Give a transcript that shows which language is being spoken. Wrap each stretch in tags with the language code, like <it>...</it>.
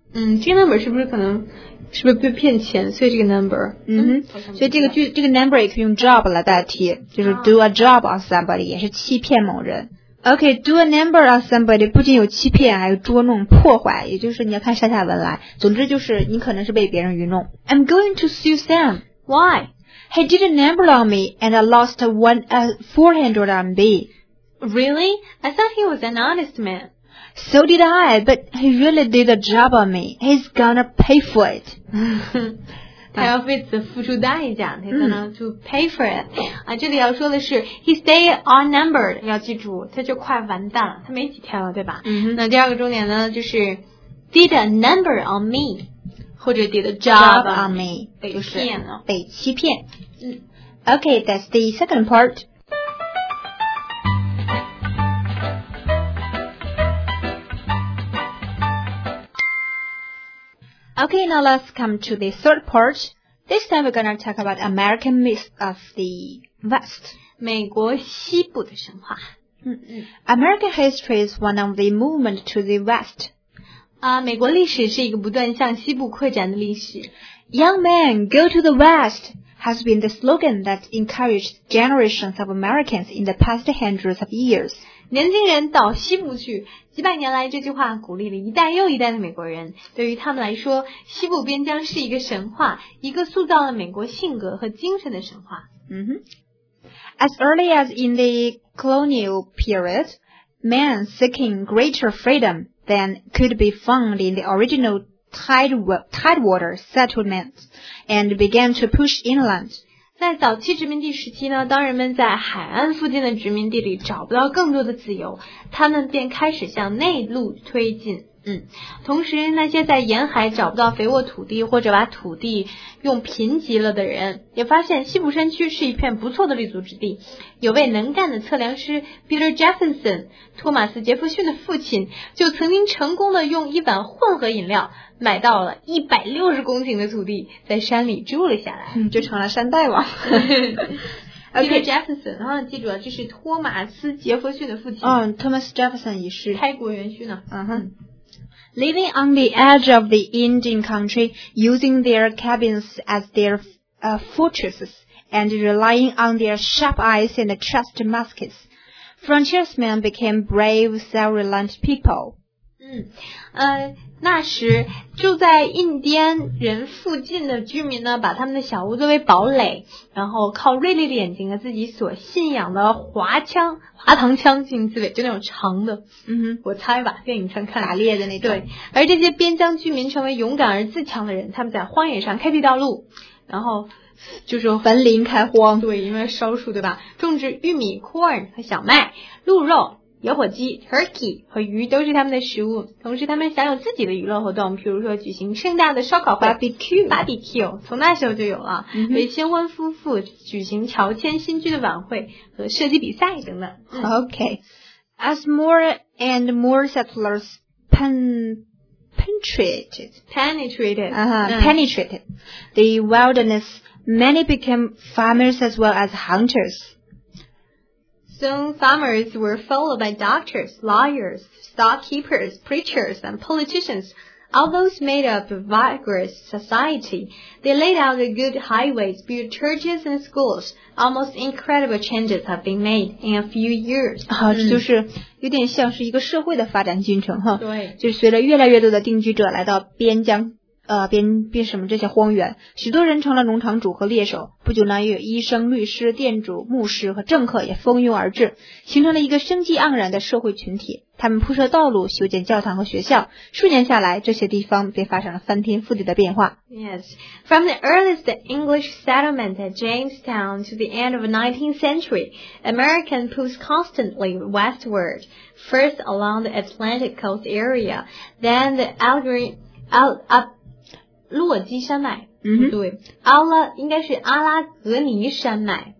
<zh>这个 number 是不是可能是不是被骗钱，所以这个 number。所以这个 number 也可以用 job 来代替，就是</zh> <en>do a job on somebody</en> <zh>也是欺骗某人。</zh> <en>Okay, do a number on somebody</en> <zh>不仅有欺骗，还有捉弄、破坏，也就是你要看上下文来。总之就是你可能是被别人愚弄。</zh> <en>I'm going to sue Sam. Why? He did a number on me and I lost $400. Really? I thought he was an honest man. So did I, but he really did a job on me. He's gonna pay for it.</en> <zh>他要为此付出代价，</zh> <en>he's gonna to pay for it。</en> <zh>这里要说的是</zh> <en>his days are numbered，</en> <zh>要记住他就快完蛋了，他没几天了，对吧？那第二个重点呢就是</zh> <en>did a number on me</en> <zh>或者</zh> <en>did a job on me，</en> <zh>就是被欺骗。</zh> <en>OK, that's the second part。 OK, now let's come to the third part。 This time we're going to talk about American Myth of the West.</en> <zh>美国西部的神话。</zh> <en>American history is one of the movement to the West.</en> <zh>美国历史是一个不断向西部扩展的历史。</zh> <en>Young men, go to the West has been the slogan that encouraged generations of Americans in the past hundreds of years.</en> <zh>年轻人倒西部去，几百年来这句话鼓励了一代又一代的美国人。对于他们来说，西部边疆是一个神话，一个塑造了美国性格和精神的神话。</zh> <en>As early as in the colonial period, men seeking greater freedom than could be found in the original tidewater settlements and began to push inland.</en> <zh>在早期殖民地时期呢，当人们在海岸附近的殖民地里找不到更多的自由，他们便开始向内陆推进。同时那些在沿海找不到肥沃土地或者把土地用贫瘠了的人，也发现西部山区是一片不错的立足之地。有位能干的测量师 Peter Jefferson, 托马斯·杰弗逊的父亲，就曾经成功的用一碗混合饮料买到了160公顷的土地，在山里住了下来，就成了山大王。 Okay. Peter Jefferson, 然后记住了，这是托马斯·杰弗逊的父亲。 Thomas Jefferson 也是开国元勋呢。</zh> <en>Living on the edge of the Indian country, using their cabins as their fortresses, and relying on their sharp eyes and trusty muskets, frontiersmen became brave, self-reliant people.</en> <zh>那时住在印第安人附近的居民呢，把他们的小屋作为堡垒，然后靠锐利的眼睛和自己所信仰的滑膛枪进行自卫，就那种长的，我猜吧，电影上看打猎的那种。对，而这些边疆居民成为勇敢而自强的人，他们在荒野上开辟道路，然后就是坟林开荒，对，因为烧树对吧，种植玉米、corn 和小麦、鹿肉、野火鸡、 turkey 和鱼都是他们的食物，同时他们享有自己的娱乐活动，比如说举行盛大的烧烤会</zh> <en>barbecue</en> <zh>从那时候就有了，为新婚夫妇举行乔迁新居的晚会和射击比赛等等。</zh> <en>As more and more settlers penetrated the wilderness, many became farmers as well as hunters Soon, farmers were followed by doctors, lawyers, storekeepers, preachers, and politicians. All those made up a vigorous society. They laid out the good highways, built churches and schools. Almost incredible changes have been made in a few years.</en> <zh>就是有点像是一个社会的发展进程哈。对，就是随着越来越多的定居者来到边疆。这些荒原，许多人成了农场主和猎手，不久呢，有医生、律师、店主、牧师和政客也蜂拥而至，形成了一个生机盎然的社会群体。他们铺设道路，修建教堂和学校，数年下来，这些地方便发生了翻天覆地的变化。</zh> <en>Yes, from the earliest English settlement at Jamestown to the end of the 19th century, Americans pushed constantly westward, first along the Atlantic coast area, then the</en> <zh>洛基山脉，对，应该是阿拉格尼山脉。</zh>